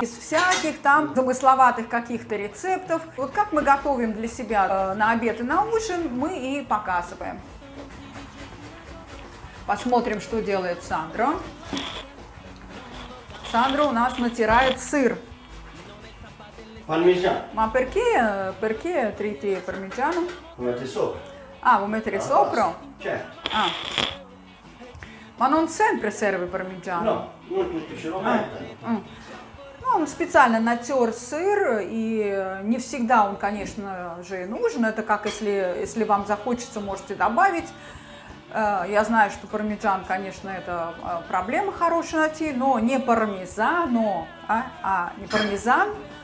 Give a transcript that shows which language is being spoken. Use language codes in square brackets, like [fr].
[ru] Из всяких там замысловатых каких-то рецептов. Вот как мы готовим для себя на обед и на ужин, мы и показываем. Посмотрим, что делает Сандра. Сандра у нас натирает сыр. Пармезан. [it] А perché? Perché triti parmigiano? Metti sopra. Ah, vuoi mettere sopra? Certo. Ah. Ma non sempre serve parmigiano. No, non tutti ce lo mettono. [ru] Ну, он специально натер сыр, и не всегда он, конечно же, нужен. Это как если вам захочется, можете добавить. Я знаю, что пармезан, конечно, это проблема хорошая найти, но не пармезан, но, а не пармезан.